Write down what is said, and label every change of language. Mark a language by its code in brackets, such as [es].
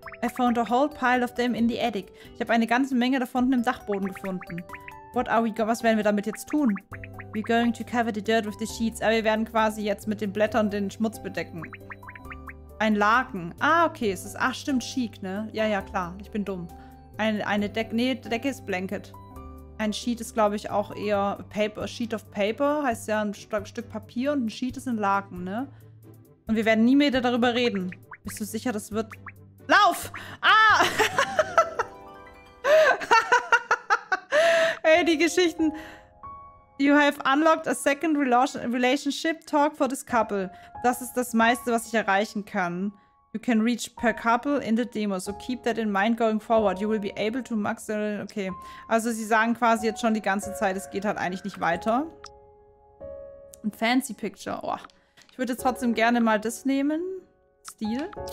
[en] I found a whole pile of them in the attic. [de] Ich habe eine ganze Menge davon im Dachboden gefunden. [en] What are we going... [de] Was werden wir damit jetzt tun? [en] We're going to cover the dirt with the sheets. [de] Aber wir werden quasi jetzt mit den Blättern den Schmutz bedecken. Ein Laken. Ah, okay. Es ist, ach, stimmt, chic, ne? Ja, ja, klar. Ich bin dumm. Decke ist Blanket. Ein Sheet ist, glaube ich, auch eher Paper. Sheet of Paper heißt ja ein Stück Papier und ein Sheet ist ein Laken, ne? Und wir werden nie mehr darüber reden. Bist du sicher, das wird... Lauf! Ah! Hey, die Geschichten... [en] You have unlocked a second relationship talk for this couple. [de] Das ist das meiste, was ich erreichen kann. [en] You can reach per couple in the demo. So keep that in mind going forward. You will be able to max... Okay. [de] Also sie sagen quasi jetzt schon die ganze Zeit, es geht halt eigentlich nicht weiter. Ein fancy picture. Oh. Ich würde trotzdem gerne mal das nehmen. Stil.